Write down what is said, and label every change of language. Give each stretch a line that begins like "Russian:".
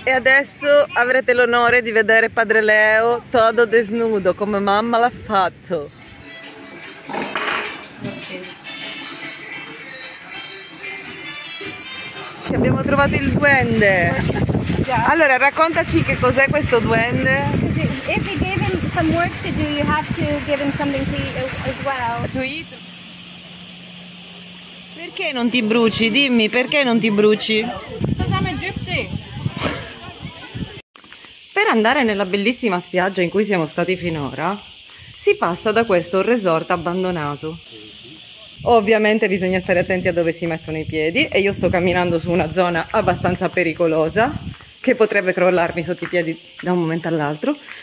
Italian: E adesso avrete l'onore di vedere padre Leo
Spanish: todo desnudo
Italian: come mamma l'ha fatto. Okay. Abbiamo trovato il duende. Allora, raccontaci che cos'è questo duende.
English: If you gave him some work to do, you have to give him something to eat as well. To eat?
Italian: Perché non ti bruci? Dimmi, perché non ti bruci?
English: Because I'm a gypsy.
Italian: Per andare nella bellissima spiaggia in cui siamo stati finora, si passa da questo resort abbandonato. Ovviamente bisogna stare attenti a dove si mettono i piedi e io sto camminando su una zona abbastanza pericolosa che potrebbe crollarmi sotto i piedi da un momento all'altro.